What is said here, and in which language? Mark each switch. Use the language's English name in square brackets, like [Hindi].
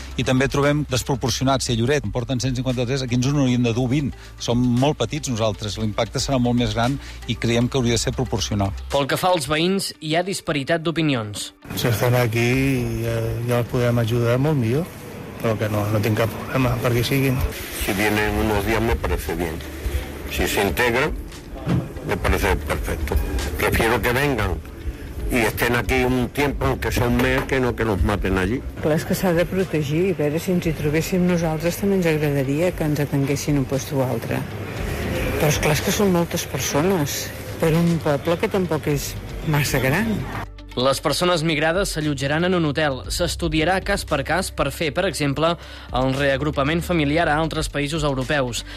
[Catalan] I també trobem desproporcionats. Si a Lloret en porten 153, aquí ens ho haurien de dur 20. Som molt petits nosaltres, l'impacte serà molt més gran i creiem que hauria de ser proporcional. Pel que fa als veïns, hi ha disparitat d'opinions. Si estan aquí, ja els podem ajudar molt millor, però que no tinc cap problema perquè siguin. [Spanish] Si vienen unos días me parece bien. Si se integran, me parece perfecto. Prefiero que vengan y estén aquí un tiempo, aunque sea un mes, que no que nos maten allí. [Catalan] Clar, és que s'ha de protegir. A veure, si ens hi trobéssim nosaltres, també ens agradaria que ens atenguessin un lloc o altre. Però és clar, és que són moltes persones per un poble que tampoc és massa gran. Les persones migrades s'allotjaran en un hotel. S'estudiarà cas per cas per fer, per exemple, el reagrupament familiar a altres països europeus.